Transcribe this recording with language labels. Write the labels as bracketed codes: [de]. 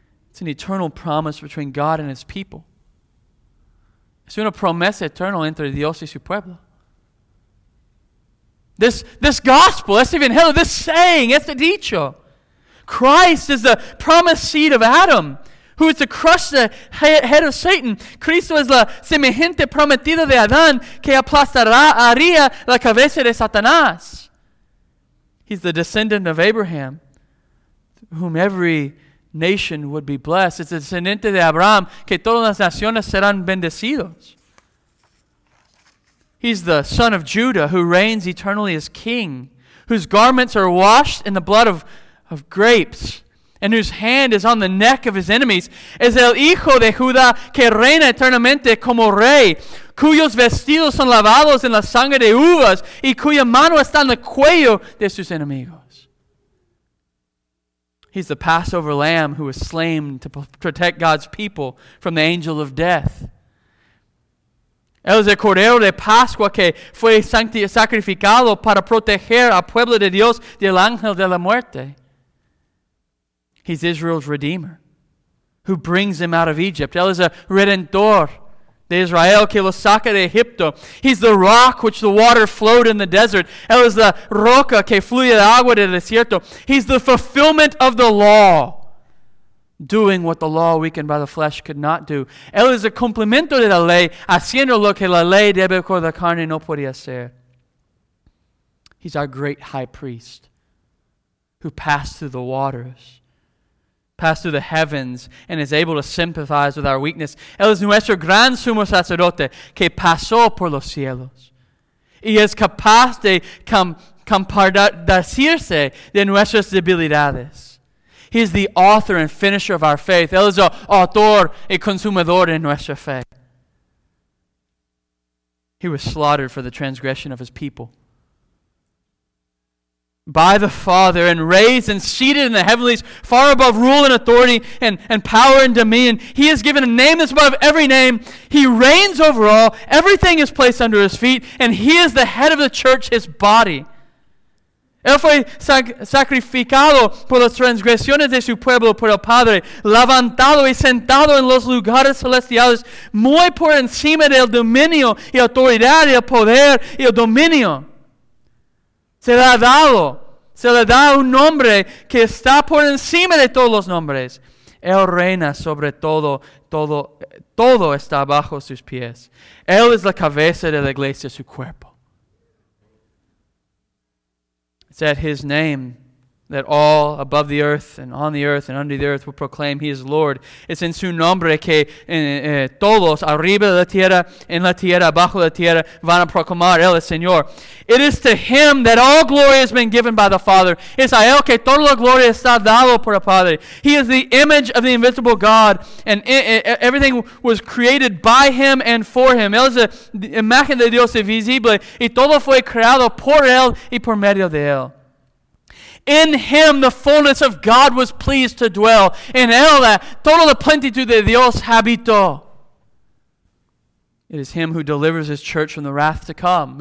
[en] It's an eternal promise between God and His people. [es] Es una promesa eterna entre Dios y su pueblo. [en] This gospel, [es] este evangelio, [en] this saying, [es] este dicho. [en] Christ is the promised seed of Adam, who is to crush the head of Satan. [es] Cristo es la semejante prometida de Adán, que aplastaría la cabeza de Satanás. [en] He's the descendant of Abraham, whom every nation would be blessed. [es] It's a descendiente de Abraham, que todas las naciones serán bendecidos. [en] He's the son of Judah, who reigns eternally as king, whose garments are washed in the blood of grapes, and whose hand is on the neck of his enemies. [es] Es el hijo de Judá, que reina eternamente como rey, cuyos vestidos son lavados en la sangre de uvas, y cuya mano está en el cuello de sus enemigos. [en] He's the Passover lamb who was slain to protect God's people from the angel of death. [es] Él es el cordero de Pascua que fue sacrificado para proteger al pueblo de Dios del ángel de la muerte. [en] He's Israel's redeemer who brings him out of Egypt. [es] Él es el redentor de Israel, que lo saca de Egipto. [en] He's the rock which the water flowed in the desert. [es] Él es la roca que fluye el agua del desierto. [en] He's the fulfillment of the law, doing what the law weakened by the flesh could not do. [es] Él es el cumplimiento de la ley, haciendo lo que la ley débil con la carne no podía hacer. [en] He's our great high priest who passed through the waters, passed through the heavens, and is able to sympathize with our weakness. [es] Él es nuestro gran sumo sacerdote que pasó por los cielos y es capaz de compadecirse de nuestras debilidades. [en] He is the author and finisher of our faith. [es] Él es el autor y consumador de nuestra fe. [en] He was slaughtered for the transgression of his people by the Father, and raised and seated in the heavenlies, far above rule and authority and power and dominion. He is given a name that's above every name. He reigns over all. Everything is placed under his feet, and he is the head of the church, his body. [es] Él fue sacrificado por las transgresiones de su pueblo por el Padre, levantado y sentado en los lugares celestiales, muy por encima del dominio y autoridad y el poder y el dominio. Se le da un nombre que está por encima de todos los nombres. Él reina sobre todo, todo está bajo sus pies. Él es la cabeza de la iglesia, su cuerpo. [en] It's at his name that all above the earth and on the earth and under the earth will proclaim he is Lord. [es] It's in su nombre que todos arriba de la tierra, en la tierra, bajo la tierra, van a proclamar él es Señor. [en] It is to him that all glory has been given by the Father. [es] Es a él que toda la gloria está dado por el Padre. [en] He is the image of the invisible God, and everything was created by him and for him. [es] Él es la imagen de Dios invisible, y todo fue creado por él y por medio de él. [en] In him the fullness of God was pleased to dwell. [es] In él toda la plenitud de Dios habitó. [en] It is him who delivers his church from the wrath to come.